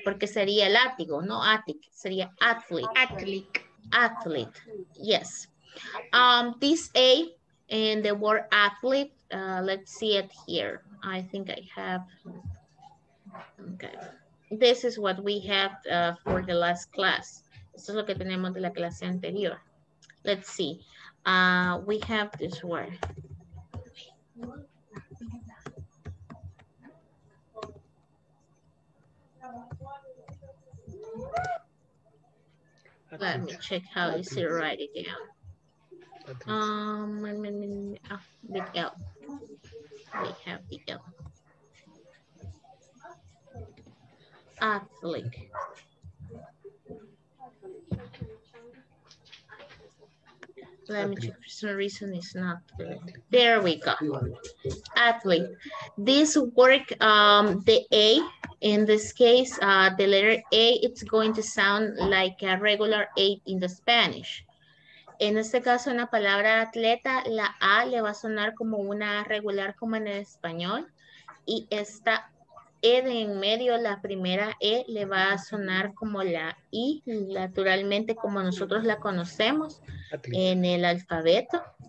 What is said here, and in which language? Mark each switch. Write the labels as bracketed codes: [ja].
[es] Porque sería el ático. No attic. Sería athlete. [en] Athlete. Yes. This A. And the word athlete, let's see it here. I think I have, okay. This is what we have for the last class. [es] Esto es lo que tenemos de la clase anterior. [en] Let's see. We have this word. Let me check how you see it right again. The L. We have the L. Athlete. Let me check. For some reason, it's not there. There we go. Athlete. This work, the A, in this case, the letter A, it's going to sound like a regular A in the Spanish. [es] En este caso, en la palabra atleta, la A le va a sonar como una A regular como en el español. Y esta E de en medio, la primera E, le va a sonar como la I, naturalmente como nosotros la conocemos en el alfabeto.